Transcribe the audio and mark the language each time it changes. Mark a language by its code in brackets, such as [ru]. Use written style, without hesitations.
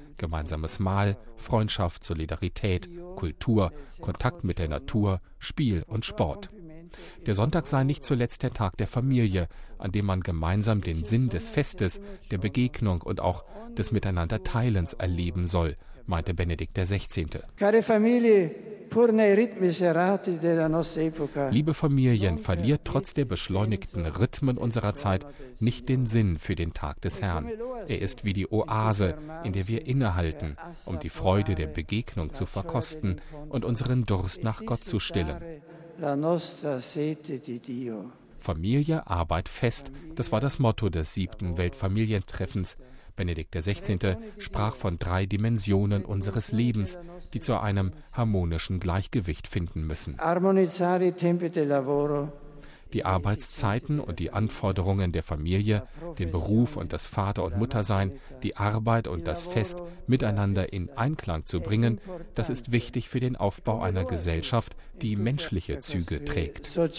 [de] Gemeinsames Mahl, Freundschaft, Solidarität, Kultur, Kontakt mit der Natur, Spiel und Sport. Der Sonntag sei nicht zuletzt der Tag der Familie, an dem man gemeinsam den Sinn des Festes, der Begegnung und auch des Miteinanderteilens erleben soll, meinte Benedikt XVI. [it] Care Familie, pur nei ritmi serrati della nostra epoca. [de] Liebe Familien, verliert trotz der beschleunigten Rhythmen unserer Zeit nicht den Sinn für den Tag des Herrn. Er ist wie die Oase, in der wir innehalten, um die Freude der Begegnung zu verkosten und unseren Durst nach Gott zu stillen. [it] La nostra sete di Dio. [de] Familie, Arbeit, Fest, das war das Motto des siebten Weltfamilientreffens. Benedikt XVI. Sprach von drei Dimensionen unseres Lebens, die zu einem harmonischen Gleichgewicht finden müssen. [it] Harmonizzare i tempi del lavoro. [de] Die Arbeitszeiten und die Anforderungen der Familie, den Beruf und das Vater- und Muttersein, die Arbeit und das Fest miteinander in Einklang zu bringen, das ist wichtig für den Aufbau einer Gesellschaft, die menschliche Züge trägt.